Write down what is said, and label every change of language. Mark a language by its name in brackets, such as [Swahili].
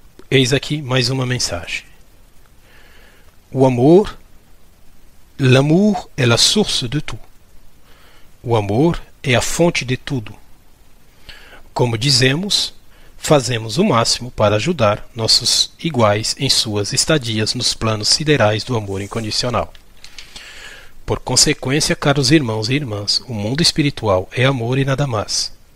[Portuguese] Eis aqui mais uma mensagem. [French] O amor, l'amour est la source de tout. [Portuguese] O amor é a fonte de tudo. Como dizemos, fazemos o máximo para ajudar nossos iguais em suas estadias nos planos siderais do amor incondicional. Por consequência, caros irmãos e irmãs, o mundo espiritual é amor e nada mais.